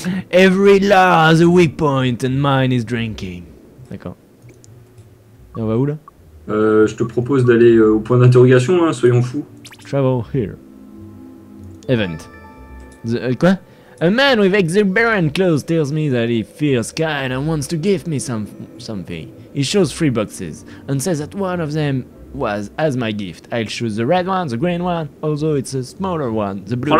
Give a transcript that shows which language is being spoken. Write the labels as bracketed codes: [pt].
[en] Every law has a weak point and mine is drinking. [fr] D'accord. Et on va où là? Je te propose d'aller au point d'interrogation, hein, soyons fous. [en] Travel here. Event. The, quoi? A man with exuberant clothes tells me that he feels kind and wants to give me something. He shows 3 boxes and says that one of them was as my gift. I'll choose the red one, the green one, although it's a smaller one, the blue one.